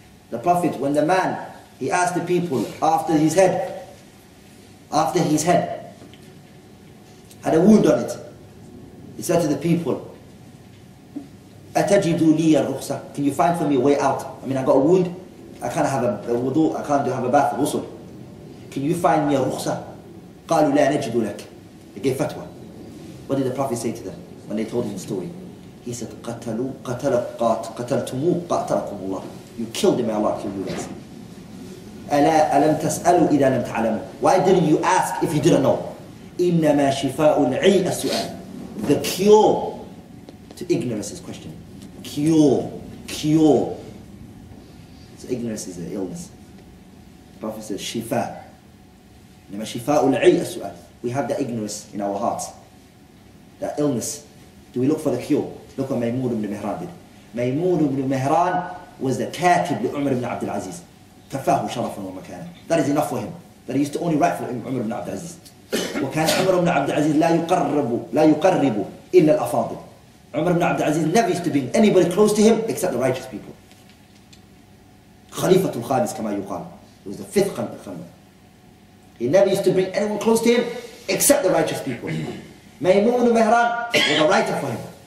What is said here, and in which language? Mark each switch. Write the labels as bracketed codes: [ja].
[en] The Prophet, when the man, he asked the people after his head, had a wound on it, he said to the people, [ar] أَتَجِدُوا لِيَ الرُّخْصَةَ. [en] Can you find for me a way out? I mean, I got a wound, I can't have a wudu, I can't have a bath, a ghusl. Can you find me a rukhsa? [ar] قَالُوا لَا نَجِدُ لَكَ. [en] They gave fatwa. What did the Prophet say to them when they told him the story? He said, [ar] قَتَلْتُمُوا قَتَلَكُمُ اللَّهُ. [en] You killed him, may Allah kill you guys. [ar] أَلَمْ تَسْأَلُوا إِذَا لَمْ تَعْلَمُوا. [en] Why didn't you ask if you didn't know? [ar] إِنَّمَا شِفَاءُ الْعِي أَسْسُؤَالِ. [en] The cure to ignorance is question. Cure. So ignorance is an illness. The Prophet says, شِفَاء. [ar] إِنَّمَا شِفَاءُ الْعِي أَسْسُؤَالِ. [en] We have that ignorance in our hearts. That illness. Do we look for the cure? Look what Maymun ibn Mihran did. Maymun ibn Mihran was the katib to Umar ibn Abdul Aziz. [ar] Kafahu sharafan wa makana. [en] That is enough for him. That he used to only write for Umar ibn Abdul Aziz. [ar] وكان Umar ibn Abdul Aziz لا يقرب إلا الأفاضل. [en] Umar ibn Abdul Aziz never used to bring anybody close to him except the righteous people. [ar] خليفة الخامس كما يقال. [en] He was the fifth khalifa. He never used to bring anyone close to him except the righteous people. Maymun and Mihran were the writer for him.